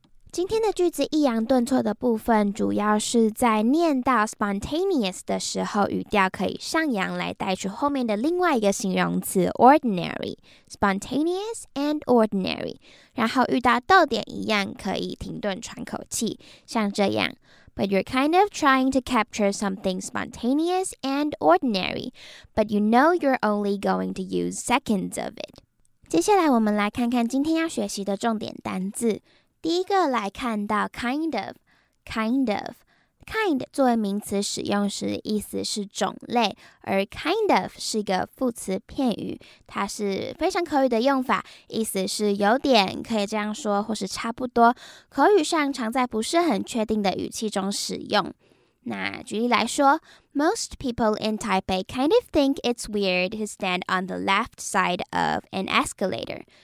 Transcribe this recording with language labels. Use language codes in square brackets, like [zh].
[zh] 今天的句子抑扬顿挫的部分，主要是在念到 spontaneous 的时候，语调可以上扬来带出后面的另外一个形容词 [en] ordinary, spontaneous and ordinary. [zh] 然后遇到逗点一样可以停顿喘口气，像这样。 [en] But you're kind of trying to capture something spontaneous and ordinary, but you know you're only going to use seconds of it. [zh] 接下来我们来看看今天要学习的重点单字。第一个来看到 kind of, kind of. Kind 作为名词使用时意思是种类，而 kind of 是一个副词片语，它是非常口语的用法，意思是有点，可以这样说，或是差不多，口语上常在不是很确定的语气中使用。那举例来说， [en] Most people in Taipei kind of think it's weird to stand on the left side of an escalator.